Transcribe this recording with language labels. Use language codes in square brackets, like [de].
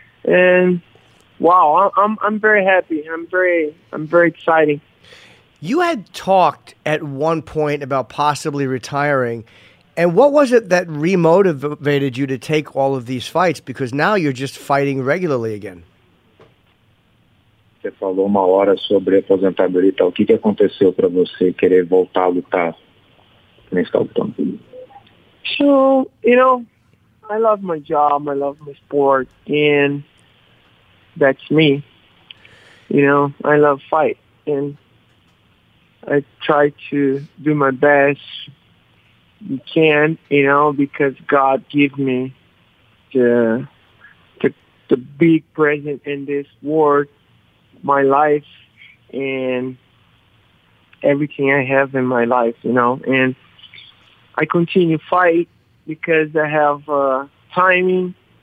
[en] And wow, I'm very happy. I'm very excited. You had talked at one point about possibly retiring. And what was it that remotivated you to take all of these fights? Because now you're just fighting regularly again. [pt] Você falou uma hora sobre aposentadoria e tal. O que aconteceu para você querer voltar a lutar nesse campeonato? [en] So, you know, I love my job, I love my sport, and that's me. You know, I love fight, and I try to do my best you can, you know, because God gave me the big present in this world, my life, and everything I have in my life, you know, and I continue fight because I have timing.